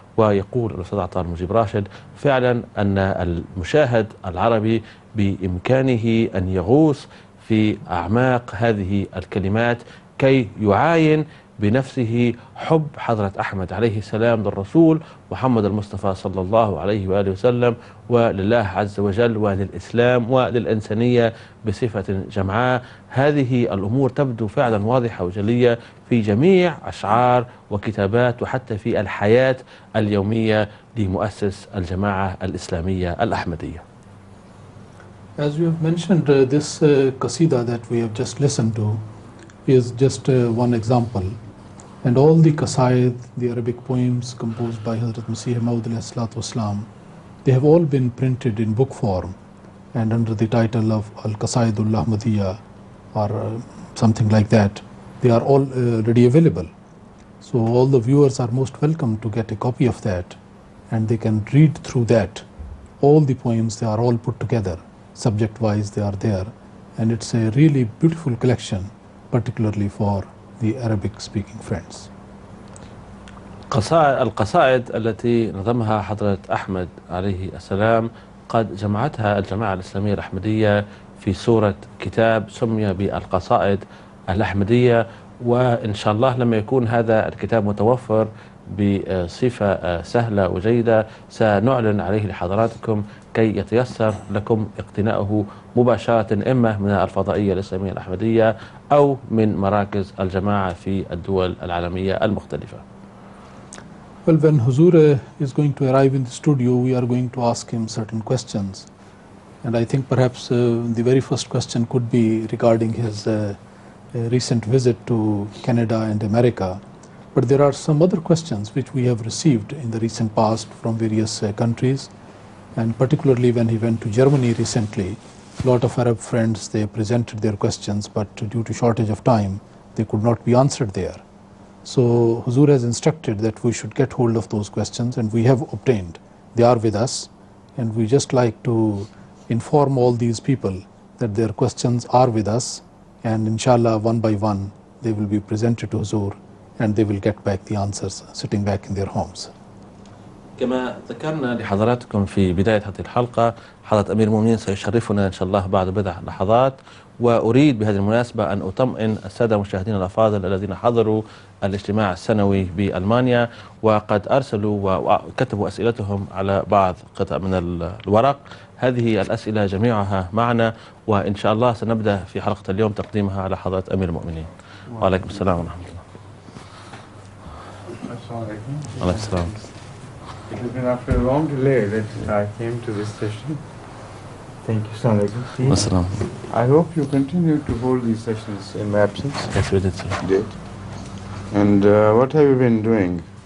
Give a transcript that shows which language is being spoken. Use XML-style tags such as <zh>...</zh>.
<ar>ويقول الأستاذ عطاء المجيب راشد: فعلا أن المشاهد العربي بإمكانه أن يغوص في أعماق هذه الكلمات كي يعاين بنفسه حب حضرة أحمد عليه السلام للرسول محمد المصطفى صلى الله عليه وآله وسلم، ولله عز وجل، وللإسلام، وللإنسانية بصفة جمعاء. هذه الأمور تبدو فعلا واضحة وجلية في جميع أشعار وكتابات وحتى في الحياة اليومية لمؤسس الجماعة الإسلامية الأحمدية.</ar> <en>As you have mentioned, this qasida that we have just listened to is just one example. And all the qasaid, the Arabic poems composed by Hazrat Masih Maud alayhi salatu wasalam, they have all been printed in book form and under the title of Al-Qasaidul Ahmadiyya or something like that. They are all already available. So all the viewers are most welcome to get a copy of that, and they can read through that. All the poems, they are all put together. Subject-wise, they are there. And it's a really beautiful collection, particularly for the Arabic-speaking friends.</en> <ar>القصائد التي نظمها حضرة أحمد عليه السلام قد جمعتها الجماعة الإسلامية الأحمدية في صورة كتاب سمي بالقصائد الأحمدية. وإن شاء الله لما يكون هذا الكتاب متوفر بصفة سهلة وجيدة سنعلن عليه لحضراتكم كي يتيسر لكم اقتناؤه مباشرة، إما من الفضائية الإسلامية الأحمدية أو من مراكز الجماعة في الدول العالمية المختلفة.</ar> <en>Well, when Huzoor is going to arrive in the studio, we are going to ask him certain questions. And I think perhaps the very first question could be regarding his recent visit to Canada and America. But there are some other questions which we have received in the recent past from various countries. And particularly when he went to Germany recently, a lot of Arab friends, they presented their questions, but due to shortage of time, they could not be answered there. So Huzoor has instructed that we should get hold of those questions, and we have obtained. They are with us, and we just like to inform all these people that their questions are with us, and inshallah, one by one, they will be presented to Huzoor, and they will get back the answers sitting back in their homes.</en> <ar>كما ذكرنا لحضراتكم في بداية هذه الحلقة، حضرة أمير المؤمنين سيشرفنا إن شاء الله بعد بضع لحظات، وأريد بهذه المناسبة أن أطمئن السادة المشاهدين الأفاضل الذين حضروا الاجتماع السنوي بألمانيا وقد أرسلوا وكتبوا أسئلتهم على بعض قطع من الورق. هذه الأسئلة جميعها معنا، وإن شاء الله سنبدأ في حلقة اليوم تقديمها على حضرة أمير المؤمنين. وعليكم السلام ورحمة الله.</ar> <en>Alaykum salam. It has been after a long delay that I came to this session. Thank you, Salaam Alaikum. Assalam. I hope you continue to hold these sessions in my absence. Yes, we did, sir. Did. And what have you been doing?</en>